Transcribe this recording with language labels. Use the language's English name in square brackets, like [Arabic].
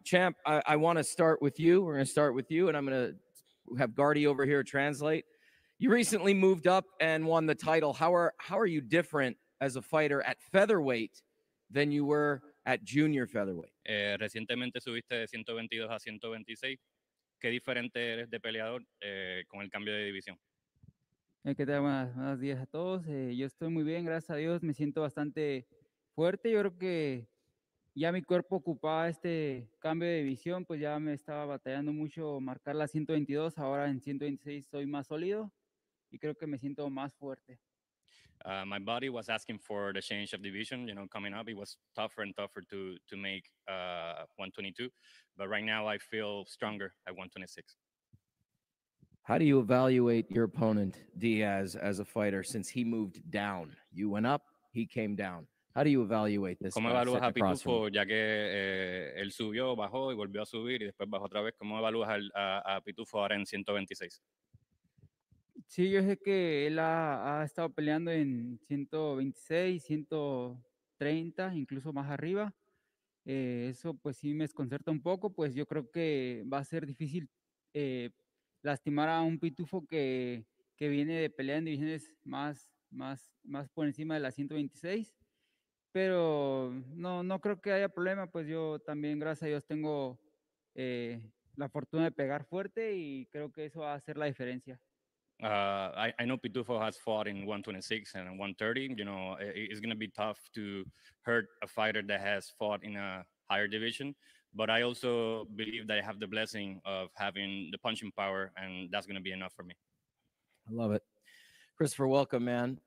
[English] Champ, I want to start with you. We're going to start with you, and I'm going to have Guardy over here translate. You recently moved up and won the title. How are you different as a fighter at featherweight than you were at junior featherweight? [Spanish] Recientemente subiste de 122 a 126. ¿Qué diferente eres de peleador con el cambio de división? ¿Qué tal? Buenos días a todos. Yo estoy muy bien, gracias a Dios. Me siento bastante fuerte. Yo creo que ya mi cuerpo ocupaba este cambio de división, pues ya me estaba batallando mucho marcar la 122. Ahora en 126 soy más sólido y creo que me siento más fuerte. [English] My body was asking for the change of division, you know, coming up. It was tougher and tougher to make 122, but right now I feel stronger at 126. How do you evaluate your opponent, Diaz, as a fighter, since he moved down? You went up, he came down. How do you evaluate this? [Spanish] ¿Cómo evalúas a Pitufo, ya que él subió, bajó y volvió a subir y después bajó otra vez? ¿Cómo evalúas a Pitufo ahora en 126? Sí, yo sé que él ha estado peleando en 126, 130, incluso más arriba. Eso pues sí me desconcerta un poco, pues yo creo que va a ser difícil lastimar a un Pitufo que viene de pelear en divisiones más por encima de la 126. Pero no creo que haya problema, pues yo también, gracias a Dios, tengo la fortuna de pegar fuerte y creo que eso va a hacer la diferencia. [English] I know Pitufo has fought in 126 and 130. You know, it's going to be tough to hurt a fighter that has fought in a higher division. But I also believe that I have the blessing of having the punching power, and that's going to be enough for me. I love it. Christopher, welcome, man.